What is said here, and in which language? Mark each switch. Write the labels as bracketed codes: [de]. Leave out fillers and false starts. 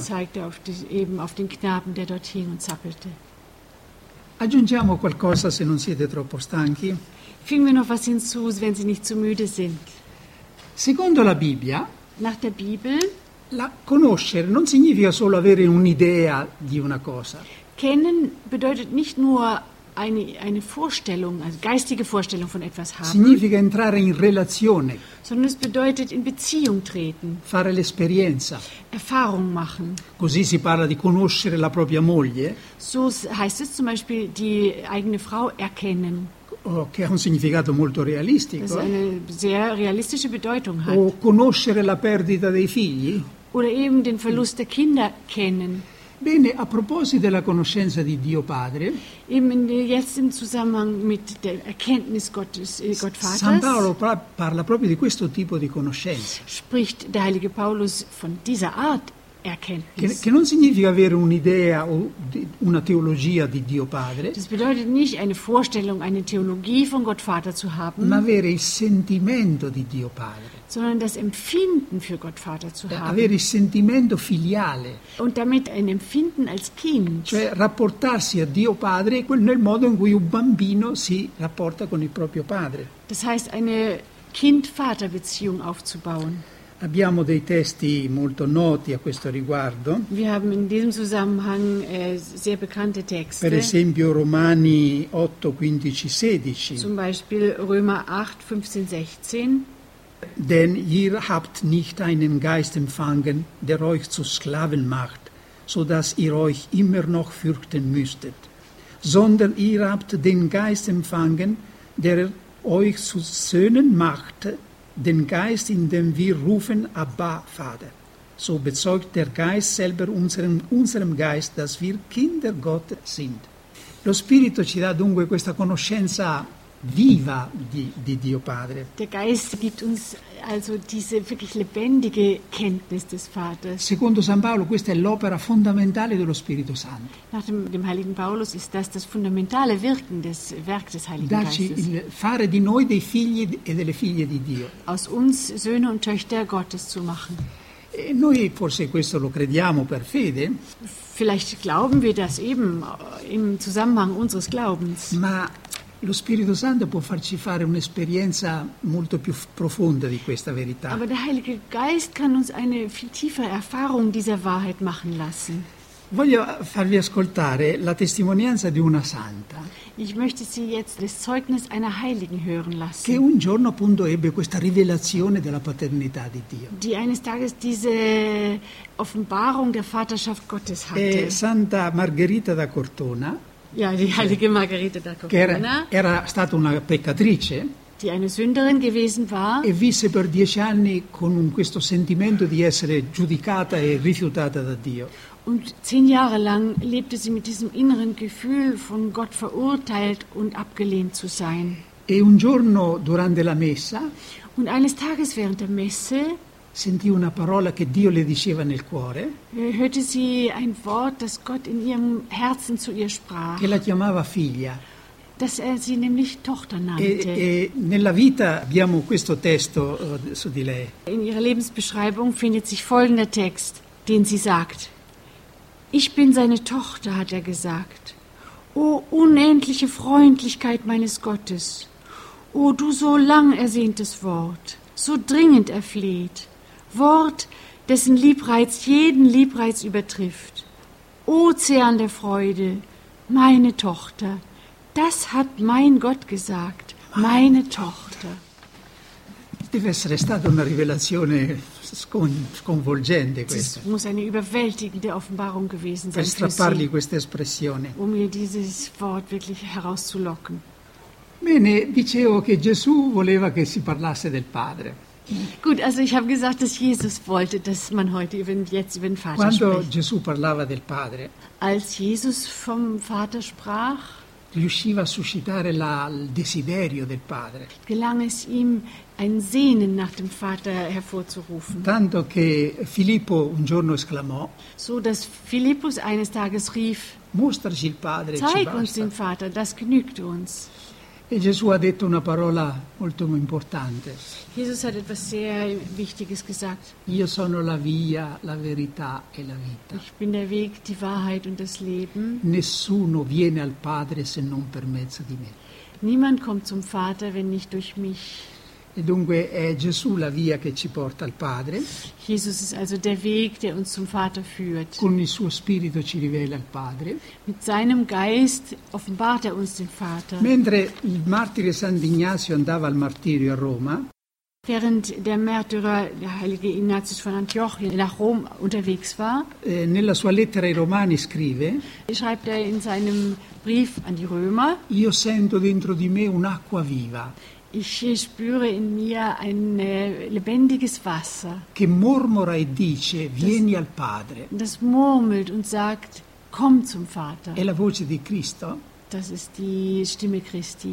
[de] Zeigte auf den Knaben, der dort hing und zappelte. [it] Aggiungiamo qualcosa se non siete troppo stanchi. [de] Fügen wir noch was hinzu, wenn Sie nicht zu müde sind. [it] Secondo la Bibbia, [de] nach der Bibel, [it] la conoscere non significa solo avere un'idea di una cosa. [de] Kennen bedeutet nicht nur eine Vorstellung, also geistige Vorstellung von etwas haben. [it] Significa entrare in relazione. [de] Sondern es bedeutet in Beziehung treten. [it] Fare l'esperienza. [de] Erfahrung machen. [it] Così si parla di conoscere la propria moglie. [de] So heißt es zum Beispiel die eigene Frau erkennen. [it] Oh, che ha un significato molto realistico. [de] Das eine sehr realistische Bedeutung hat. [it] O conoscere la perdita dei figli. [de] Oder eben den Verlust der Kinder kennen. [it] Bene, a proposito della conoscenza di Dio Padre, [de] jetzt im Zusammenhang mit der Erkenntnis Gottes, Gott Vaters, [it] San Paolo parla proprio di questo tipo di conoscenza. [de] Spricht der heilige Paulus von dieser Art Erkenntnis. [it] Che non significa avere un'idea o una teologia di Dio Padre. [de] Das bedeutet nicht eine Vorstellung, eine Theologie von Gott Vater zu haben. [it] Ma avere il sentimento di Dio Padre. [de] Sondern das Empfinden für Gott Vater zu haben. [it] Avere il sentimento filiale. [de] Und damit ein Empfinden als Kind. [it] Cioè rapportarsi a Dio Padre nel modo in cui un bambino si rapporta con il proprio padre. [de] Das heißt, eine Kind-Vater-Beziehung aufzubauen. [it] Abbiamo dei testi molto noti a questo riguardo. [de] Wir haben in diesem Zusammenhang sehr bekannte Texte. [it] Per esempio Romani 8, 15, 16. [de] Zum Beispiel Römer 8, 15, 16. Denn ihr habt nicht einen Geist empfangen, der euch zu Sklaven macht, so dass ihr euch immer noch fürchten müsstet, sondern ihr habt den Geist empfangen, der euch zu Söhnen macht, den Geist, in dem wir rufen, Abba, Vater. So bezeugt der Geist selber unserem Geist, dass wir Kinder Gottes sind. [it] Lo Spirito ci dà dunque questa conoscenza viva di Dio Padre. [de] Der Geist gibt uns also diese wirklich lebendige Kenntnis des Vaters. [it] Secondo San Paolo questa è l'opera fondamentale dello Spirito Santo. [de] Nach dem Heiligen Paulus ist das fundamentale Wirken des Werk des Heiligen Geistes. [it] Darci fare di noi dei figli e delle figlie di Dio. [de] Aus uns Söhne und Töchter Gottes zu machen. [it] E noi forse questo lo crediamo per fede. [de] Vielleicht glauben wir das eben im Zusammenhang unseres Glaubens. [it] Ma lo Spirito Santo può farci fare un'esperienza molto più profonda di questa verità. [de] Aber der Heilige Geist kann uns eine viel tiefere Erfahrung dieser Wahrheit machen lassen. [it] Voglio farvi ascoltare la testimonianza di una santa. [de] Ich möchte Sie jetzt das Zeugnis einer Heiligen hören lassen. [it] Che un giorno appunto ebbe questa rivelazione della paternità di Dio. [de] Die eines Tages diese Offenbarung der Vaterschaft Gottes hatte. [it] È Santa Margherita da Cortona. [de] Ja, die heilige Margherita da Cortona, [it] che era stata una peccatrice, [de] die eine Sünderin gewesen war, [it] e visse per 10 anni con questo sentimento di essere giudicata e rifiutata da Dio. [de] Und 10 Jahre lang lebte sie mit diesem inneren Gefühl von Gott verurteilt und abgelehnt zu sein. [it] E un giorno durante la messa, [de] und eines Tages während der Messe, [it] sentì una parola che Dio le diceva nel cuore. [de] Hörte sie ein Wort, das Gott in ihrem Herzen zu ihr sprach. [it] Che la chiamava figlia. [de] Dass er sie nämlich Tochter nannte. [it] E nella vita abbiamo questo testo su di lei. [de] In ihrer Lebensbeschreibung findet sich folgender Text, den sie sagt: Ich bin seine Tochter, hat er gesagt. O unendliche Freundlichkeit meines Gottes. O du so lang ersehntes Wort. So dringend erfleht, Wort, dessen Liebreiz jeden Liebreiz übertrifft. Ozean der Freude, meine Tochter, das hat mein Gott gesagt, meine Tochter. [it] Deve essere stata una rivelazione sconvolgente questa. [de] Das muss eine überwältigende Offenbarung gewesen sein. [it] Per strappargli questa espressione. [de] Um mir dieses Wort wirklich herauszulocken. [it] Bene, dicevo che Gesù voleva che si parlasse del Padre. [de] Gut, also ich habe gesagt, dass Jesus wollte, dass man heute jetzt über den Vater [it] Quando [de] spricht. [it] Quando Gesù parlava del Padre, [de] als Jesus vom Vater sprach, [it] riusciva a suscitare il desiderio del Padre. [de] Gelang es ihm, ein Sehnen nach dem Vater hervorzurufen. [it] Tanto che Filippo un giorno esclamò, [de] so dass Philippus eines Tages rief, [it] mostraci il Padre, [de] zeig uns den Vater, das genügt uns. [it] E Gesù ha detto una parola molto importante. [de] Jesus hat etwas sehr Wichtiges gesagt. [it] Io sono la via, la verità e la vita. [de] Ich bin der Weg, die Wahrheit und das Leben. [it] Nessuno viene al Padre se non per mezzo di me. [de] Niemand kommt zum Vater, wenn nicht durch mich. [it] E dunque è Gesù la via che ci porta al Padre. [de] Jesus ist also der Weg, der uns zum Vater führt. [it] Con il suo spirito ci rivela il Padre. [de] Mit seinem Geist offenbart er uns den Vater. [it] Mentre il martire San Ignazio andava al martirio a Roma. [de] Während der Märtyrer, der heilige Ignatius von Antiochia, nach Rom unterwegs war, [it] nella sua lettera ai Romani scrive, [de] schreibt er in seinem Brief an die Römer, [it] io sento dentro di me un'acqua viva. [de] Ich spüre in mir ein lebendiges Wasser. [it] Che mormora e dice, vieni al Padre. [de] Das murmelt und sagt, komm zum Vater. [it] È la voce di Cristo. [de] Das ist die Stimme Christi.